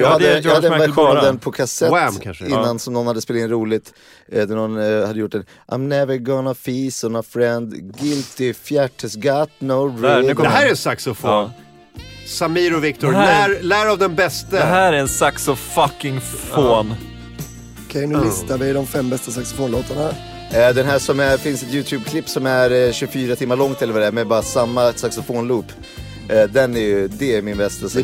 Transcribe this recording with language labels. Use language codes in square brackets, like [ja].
[sv] Jag hade en version av den på kassett. Wham, kanske, innan, ja. Som någon hade spelat in roligt. Där någon hade gjort en I'm never gonna feast on a friend. [en] Guilty fjärt has got no rhythm. [sv] Det här är en saxofon. Ja. Samir och Victor, lär av den bästa. Det här är en saxofucking-fån. Okej, nu listar vi de fem bästa saxofonlåtarna. Den här som finns ett YouTube-klipp som är 24 timmar långt eller vad det är, med bara samma saxofonloop. Den är ju, det är min bästa saxofon.